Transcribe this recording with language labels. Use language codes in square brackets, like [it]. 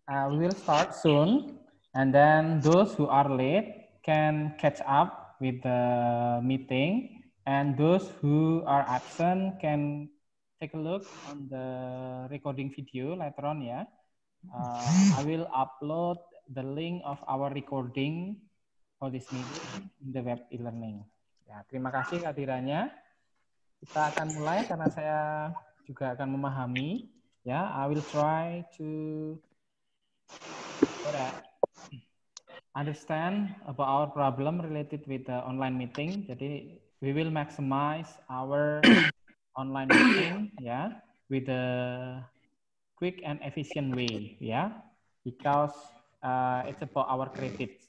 [en] We will start soon, and then those who are late can catch up with the meeting, and those who are absent can take a look on the recording video later on, yeah. I will upload the link of our recording for this meeting in the web e-learning. [id] Ya, terima kasih kehadirannya. Kita akan mulai karena saya juga akan memahami. [en] Ya, I will try to understand about our problem related with the online meeting. [id] Jadi, [en] we will maximize our online meeting, yeah, with a quick and efficient way, yeah, because it's about our credit.